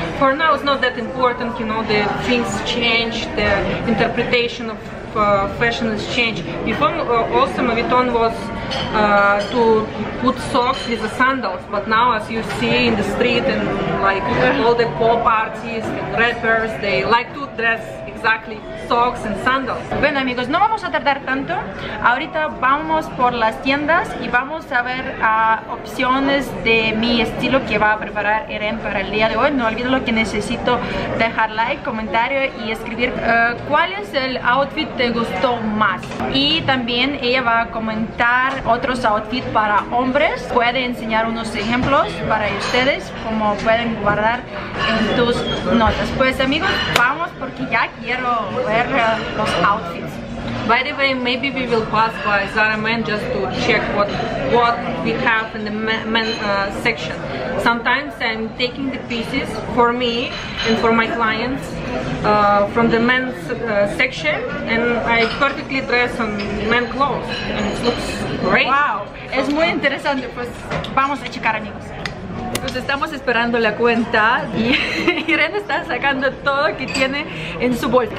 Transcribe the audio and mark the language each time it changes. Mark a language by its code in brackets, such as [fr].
[en] For now it's not that important, you know, the things change, the interpretation of fashion has changed. Before also moveton was to put socks with the sandals, but now as you see in the street and like all the pop artists and rappers, they like to dress exactly socks and sandals. [es] Bueno amigos, no vamos a tardar tanto. Ahorita vamos por las tiendas y vamos a ver opciones de mi estilo que va a preparar Eren para el día de hoy. No olvides lo que necesito, dejar like, comentario y escribir cuál es el outfit te gustó más. Y también ella va a comentar otros outfits para hombres. Puede enseñar unos ejemplos para ustedes como pueden guardar en tus notas. Pues amigos, vamos porque ya quiero ver los outfits. [en] By the way, maybe we will pass by Zara Man just to check what we have in the men section. Sometimes I'm taking the pieces for me and for my clients from the men's section, and I perfectly dress on men clothes, and it looks great. [es] Wow, es muy interesante. Pues vamos a checar, amigos. Pues estamos esperando la cuenta y Irene está sacando todo que tiene en su bolsa.